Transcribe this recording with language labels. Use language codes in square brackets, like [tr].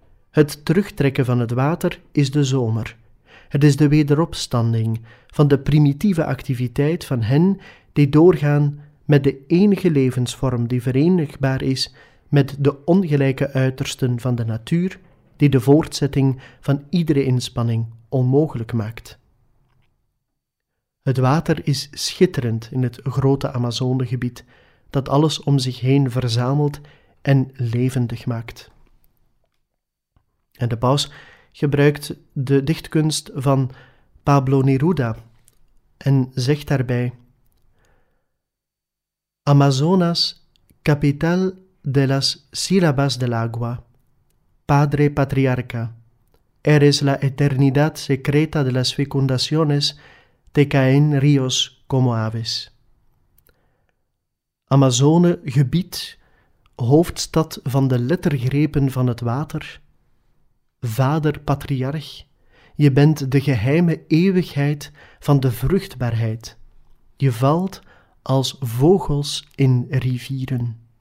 [nl] Het terugtrekken van het water is de zomer. Het is de wederopstanding van de primitieve activiteit van hen die doorgaan met de enige levensvorm die verenigbaar is met de ongelijke uitersten van de natuur die de voortzetting van iedere inspanning onmogelijk maakt. Het water is schitterend in het grote Amazonegebied dat alles om zich heen verzamelt en levendig maakt. En de paus gebruikt de dichtkunst van Pablo Neruda en zegt daarbij: [es] Amazonas, capital de las sílabas del agua, padre patriarca, eres la eternidad secreta de las fecundaciones, te caen ríos como aves. [nl] Amazone, gebied, hoofdstad van de lettergrepen van het water, vader patriarch, je bent de geheime eeuwigheid van de vruchtbaarheid, je valt als vogels in rivieren.